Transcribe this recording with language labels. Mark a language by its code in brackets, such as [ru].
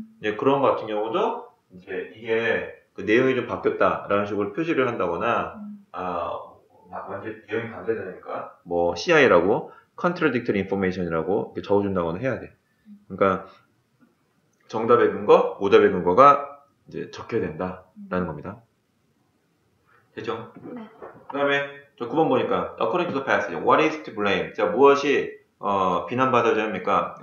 [ko] 이제 그런 것 같은 경우도 이제 이게 그 내용이 좀 바뀌었다라는 식으로 표시를 한다거나, 완전히 내용이 반대되니까, 뭐, CI라고, contradictory information이라고 적어준다거나 해야 돼. 그러니까, 정답의 근거, 오답의 근거가 이제 적혀야 된다라는 겁니다. 됐죠? 네. 그 다음에, 저 9번 보니까, [en] according to the passage, what is to blame? [ko] 자, 무엇이, 비난받아야 합니까?